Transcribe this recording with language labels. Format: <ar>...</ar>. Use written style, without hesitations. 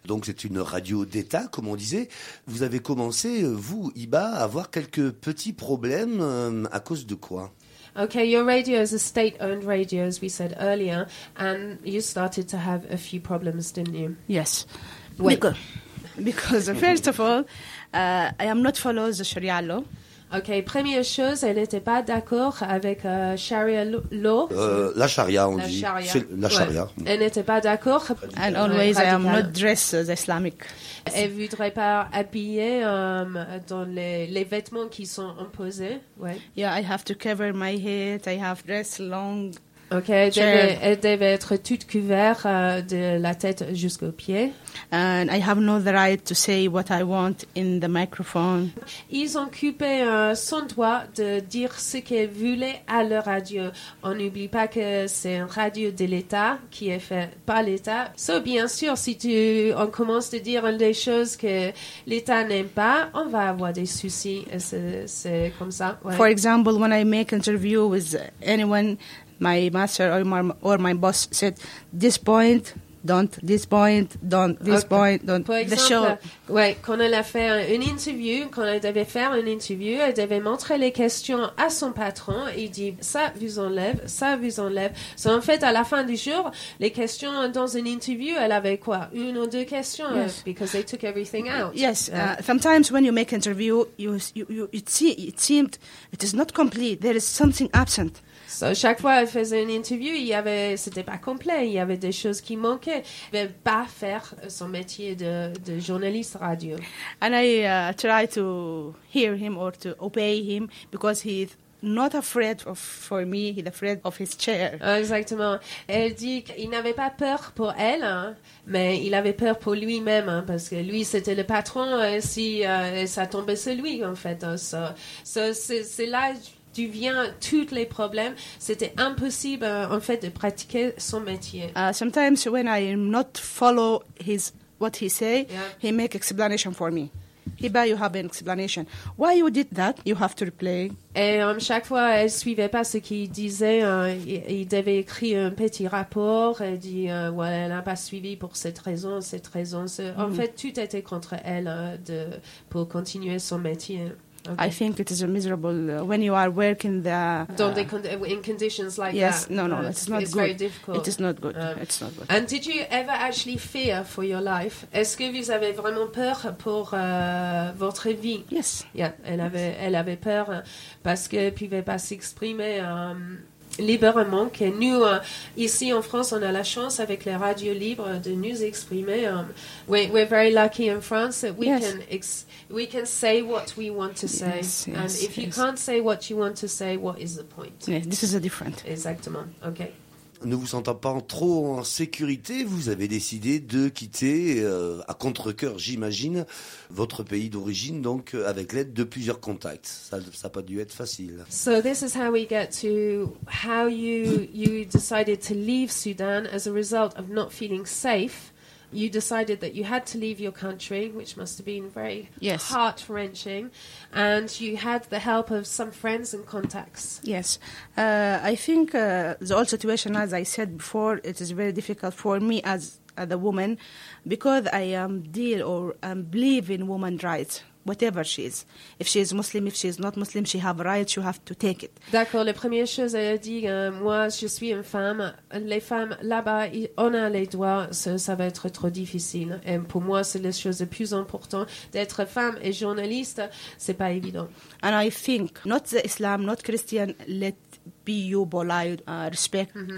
<fr>Donc, c'est une radio d'État, comme on disait. Vous avez commencé, vous, Iba, à avoir quelques petits problèmes. À cause de quoi ?</fr> <en>Okay, your radio is a state-owned radio, as we said earlier, and you started to have a few problems, didn't you? Yes. Wait. Because first of all, I am not following the Sharia law.</en> <fr>Okay, première chose, elle n'était pas d'accord avec Sharia law. La Sharia, on la dit. Sharia. C'est la Sharia. Ouais. Elle n'était pas d'accord.</fr> <en>And always radical. I am not dressed Islamic.</en> <fr>Elle ne voudrait pas habiller dans les vêtements qui sont imposés. Ouais.</fr> <en>Yeah, I have to cover my head. I have dress long.</en> <fr>Okay, elle devait être toute couverte de la tête jusqu'aux pieds.</fr> <en>And I have no the right to say what I want in the microphone.</en> <fr>Ils ont coupé son droit de dire ce qu'elle voulait à la radio. On n'oublie pas que c'est une radio de l'État qui est faite par l'État. So, bien sûr, si on commence à dire des choses que l'État n'aime pas, on va avoir des soucis. C'est comme ça. Ouais.</fr> <en>For example, when I make interview with anyone, my master or my boss said, this point, don't.</en> <fr>Pour exemple,</fr> <en>the show.</en> <fr>Ouais, quand elle a fait une interview, quand elle devait faire une interview, elle devait montrer les questions à son patron. Il dit, ça vous enlève. C'est en fait, à la fin du jour, les questions dans une interview, elle avait quoi? Une ou deux questions?</fr> <en>Yes. Because they took everything out. Yes. Sometimes when you make interview, it seemed it is not complete. There is something absent.</en> <fr>So, chaque fois qu'elle faisait une interview, c'était pas complet, il y avait des choses qui manquaient. Elle ne pouvait pas faire son métier de journaliste radio.</fr> <en>And I try to hear him or to obey him because he's not afraid for me, he's afraid of his chair.</en> <fr>Exactement. Elle dit qu'il n'avait pas peur pour elle, hein, mais il avait peur pour lui-même hein, parce que lui, c'était le patron et ça tombait sur lui, en fait. Hein, c'est là. Tu viens tous les problèmes. C'était impossible, en fait, de pratiquer son métier.</fr> <en>Sometimes when I not follow what he say, yeah. He make explanation for me. Iba, you have an explanation. Why you did that? You have to reply.</en> <fr>Et chaque fois, elle ne suivait pas ce qu'il disait. Il devait écrire un petit rapport. Elle dit, well, elle n'a pas suivi pour cette raison. En fait, tout était contre elle pour continuer son métier.</fr> <en>Okay. I think it is a miserable when you are working the in conditions like yes, that. Yes, no, no, it's not it's It's very difficult. It is not good. It's not good. And did you ever actually fear for your life?</en> <fr>Est-ce que vous avez vraiment peur pour votre vie?</fr> <en>Yes.</en> <fr>Yeah, elle avait peur parce que elle pouvait pas s'exprimer. Librement, que nous, ici en France, on a la chance avec les radios libres de nous exprimer.</fr> <en>We're very lucky in France that we can say what we want to say. Yes, yes, and if you can't say what you want to say, what is the point? Yes, this is a different.</en> <fr>Exactement. Okay. Ne vous sentant pas trop en sécurité, vous avez décidé de quitter, à contre-cœur, j'imagine, votre pays d'origine, donc avec l'aide de plusieurs contacts. Ça n'a pas dû être facile.</fr> <en>So this is how we get to how you decided to leave Sudan as a result of not feeling safe. You decided that you had to leave your country, which must have been very yes. heart-wrenching, and you had the help of some friends and contacts. Yes. I think the whole situation, as I said before, it is very difficult for me as a woman because I am believe in women's rights. whatever she is. If she is Muslim, if she is not Muslim, she have rights, you have to take it.</en> <fr>D'accord, la première chose, elle a dit, moi, je suis une femme, les femmes là-bas, on a les droits, ça va être trop difficile. Et pour moi, c'est la chose la plus importante, d'être femme et journaliste, c'est pas évident.</fr> <en>And I think, not the Islam, not Christian, let be your polite, respect mm-hmm.</en>